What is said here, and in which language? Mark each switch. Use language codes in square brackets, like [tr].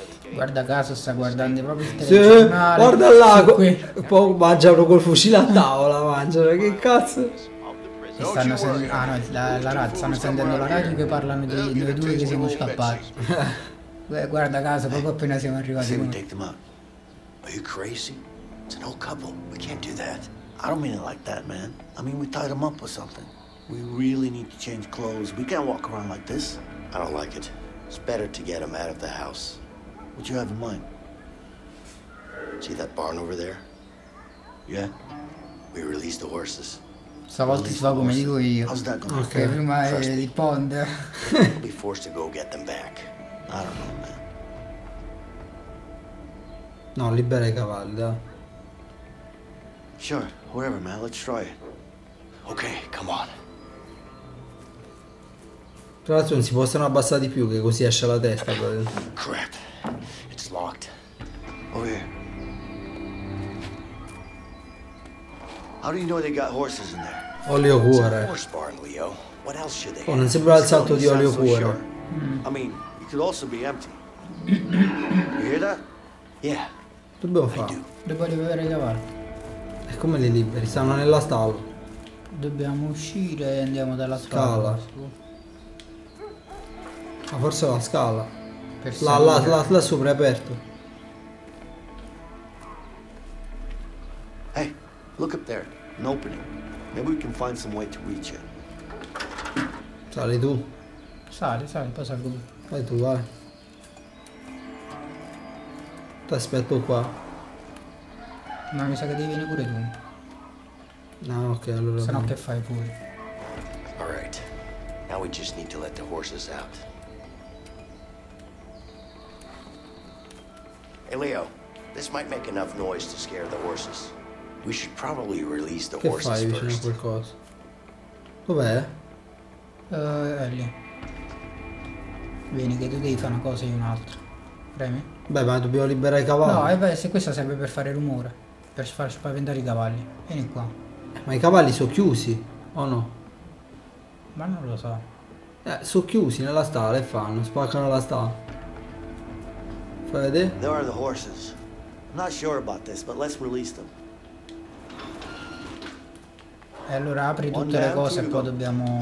[it] Guarda caso, sta guardando proprio il telegiornale. Sì, guarda là, poi mangiano col fucile a tavola, mangiano, che cazzo. E stanno sentendo la radio che parlano di noi due che siamo scappati. Guarda caso, proprio appena siamo arrivati. [en] Are you crazy? It's an old couple, we can't do that. I don't mean it like that, man. I mean we tied them up or something. We really need to change clothes, we can't walk around like this. I don't like it, it's better to get them out of the house. What do you have in mind? See that barn over there? Yeah. We release the horses. [it] Stavolta si fa come dico io. [en] How's that going? [it] Okay. Prima è di ponder. [en] We'll be forced to go get them back. I don't know, man. [it] No, libera i cavalli, da. [en] Sure, whoever, man. Let's try it. Okay, come on. [it] Tra l'altro non si possono abbassare di più che così esce la testa. [en] Crap. It's locked. Over here. How do you know they got horses in there? [it] Olio cuore. [en] It's a horse barn, Leo. What else should they have? [it] Oh, non sembra il salto di olio cuore. [en] So sure. I mean, it could also be empty. You hear that? Yeah. [it] Dobbiamo fare. Dobbiamo liberare i cavalli. E come li liberi? Stanno nella stalla. Dobbiamo uscire e andiamo dalla scala. Ma forse la scala. La sopra è aperto. [en] Hey, look up there. An opening. Maybe we can find some way to reach it. [it] Sali tu. Sali, poi salgo. Vai tu, vai. Ti aspetto qua. Ma mi sa che devi venire pure tu. No, ok, allora. Sennò che fai pure. [en] Alright. Now we just need to let the horses out. Hey Leo, this might make enough noise to scare the horses. We should probably release the horses first. [it] Che fai vicino a qualcosa? Dov'è? È lì. Vieni che tu devi fare una cosa e un'altra. Premi? Beh, ma dobbiamo liberare i cavalli. No, se questa serve per fare rumore. Per far spaventare i cavalli. Vieni qua. Ma i cavalli sono chiusi, o no? Ma non lo so. Sono chiusi nella stalla e fanno, spaccano la stalla. [en] There are the horses. I'm not sure about this, but let's release them. [it] E allora apri tutte le cose e poi dobbiamo.